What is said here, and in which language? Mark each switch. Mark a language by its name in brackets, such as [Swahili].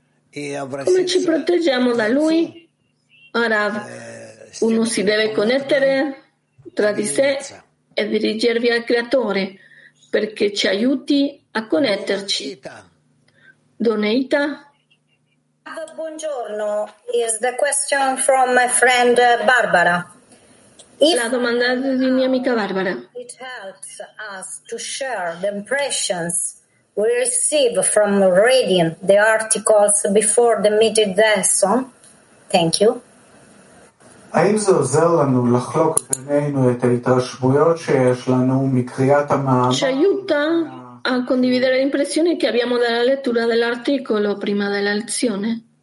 [Italian] Come ci proteggiamo da lui? Ora, uno si deve connettere tra di sé e dirigervi al Creatore perché ci aiuti a connetterci. Doneita. Buongiorno. [English] Is the question from my friend Barbara. [Italian] La domanda di mia amica Barbara. [English] It helps us to share the impressions we receive from reading the articles before the midday lesson. Thank you. [Hebrew] האם זה עוזר לנו לחלוק בינינו את ההתרשמויות שיש לנו מקריאת המאמר? [Italian] Ci aiuta a condividere le impressioni che abbiamo dalla lettura dell'articolo prima della lezione?